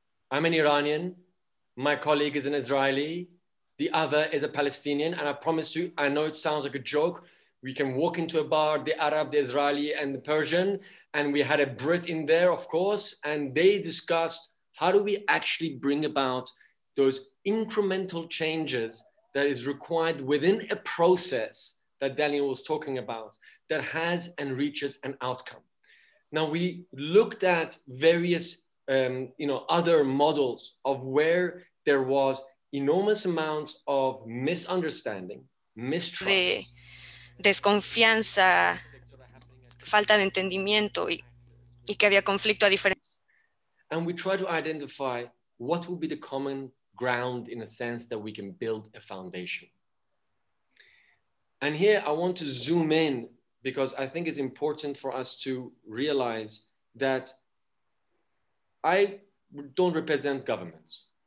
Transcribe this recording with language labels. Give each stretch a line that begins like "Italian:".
English: I'm an Iranian, my colleague is an Israeli, the other is a Palestinian, and I promise you, I know it sounds like a joke, we can walk into a bar, the Arab, the Israeli, and the Persian, and we had a Brit in there, of course, and they discussed, how do we actually bring about those incremental changes that is required within a process that Daniel was talking about, that has and reaches an outcome. Now, we looked at various other models of where there was enormous amounts of misunderstanding, mistrust.
Spanish: De desconfianza, falta de entendimiento y que había conflicto a diferentes.
English: And we tried to identify what would be the common ground, in a sense, that we can build a foundation. And here I want to zoom in, because I think it's important for us to realize that I don't represent governments.